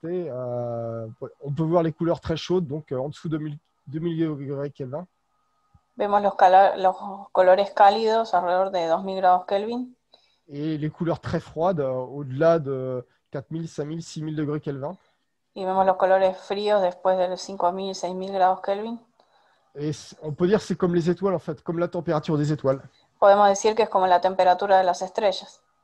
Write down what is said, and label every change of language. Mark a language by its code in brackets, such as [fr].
[fr] On peut voir les couleurs très chaudes, donc en dessous de 2000 degrés Kelvin. [es] Vemos los colores cálidos alrededor de 2000 grados Kelvin. [fr] Et les couleurs très froides, au-delà de 4000, 5000, 6000 degrés Kelvin. [es] Y vemos los colores fríos después de los 5.000 y 6.000 grados Kelvin. [fr] Et on peut dire que c'est comme les étoiles, en fait, comme la température des étoiles. [es] Podemos decir que es como la temperatura de las estrellas.